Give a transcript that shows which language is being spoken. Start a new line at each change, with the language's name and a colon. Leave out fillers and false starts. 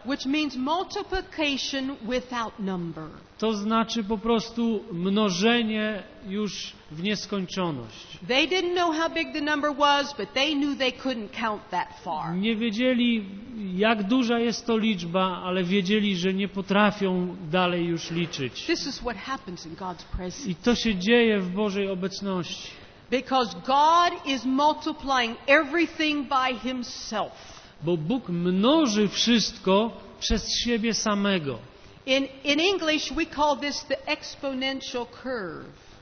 English: Which means multiplication without number.
Polish: To znaczy po prostu mnożenie już w nieskończoność.
English: They didn't know how big the number was, but they knew they couldn't count that far.
Polish: Nie wiedzieli, jak duża jest to liczba, ale wiedzieli, że nie potrafią dalej już liczyć.
English: This is what happens in God's presence.
Polish: I to się dzieje w Bożej obecności.
English: Because God is multiplying everything by himself.
Polish: Bo Bóg mnoży wszystko przez siebie samego.
English: In English we call this the exponential curve.